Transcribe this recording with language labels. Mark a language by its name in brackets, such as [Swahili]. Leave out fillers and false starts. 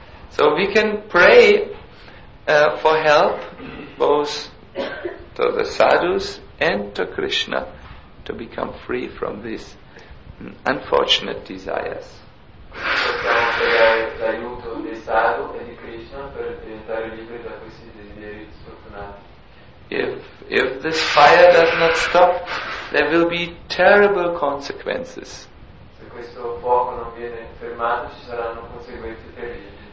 [English] So we can pray for help both to the sadhus and to Krishna to become free from these unfortunate desires. [Italian] Possiamo pregare l'aiuto di Sadhu e di Krishna per diventare liberi da questi desideri sfortunati. [English] If this fire does not stop, there will be terrible consequences. [Italian] Se questo fuoco non viene fermato, ci saranno conseguenze terribili.